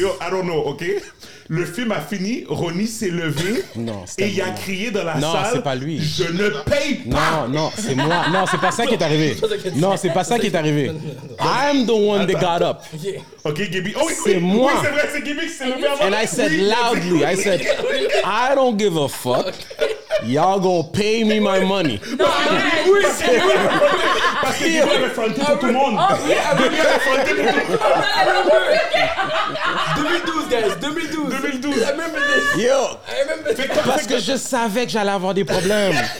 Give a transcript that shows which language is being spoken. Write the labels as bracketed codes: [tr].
[en] Yo, I don't know, OK? [fr] Le film a fini, Ronnie s'est levé. Non, et il a crié dans la non, salle. Non, c'est pas lui. Je ne paye pas! Non, non, c'est moi. Non, c'est pas ça qui est arrivé. Non, c'est pas ça qui est arrivé. [en] I'm the one that got up. [fr] OK, Gibby. Oh, oui, c'est oui, moi. Oui, c'est vrai, c'est Gibby qui s'est levé avant. [en] And I said loudly, I said, I don't give a fuck. Y'all gonna pay me my money. [fr] Non, oui, c'est vrai. Parce que Gibby avait fronté pour tout le monde. Gibby avait fronté pour tout le monde. [en] 2012, guys, 2012. [fr] Yo, parce que je savais que j'allais avoir des problèmes.